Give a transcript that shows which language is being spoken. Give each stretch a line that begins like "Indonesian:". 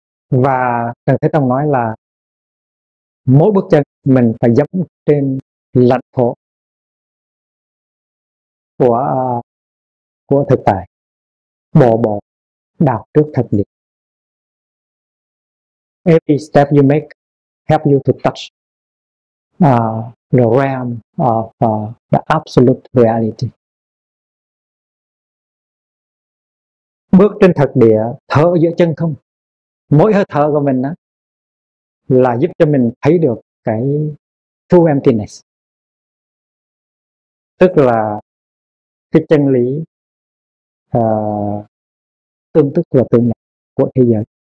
Vietnamese: Và Trần Thái Tông nói là mỗi bước chân mình phải dẫm trên lãnh thổ của thực tại, bộ đạo trước thực địa.
English: Every step you make help you to touch the realm of the absolute reality.
Vietnamese: Bước trên thực địa, thở giữa chân không. Mỗi hơi thở của mình đó, là giúp cho mình thấy được cái
English: true emptiness,
Vietnamese: tức là cái chân lý tương tức và tương nhập của thế giới.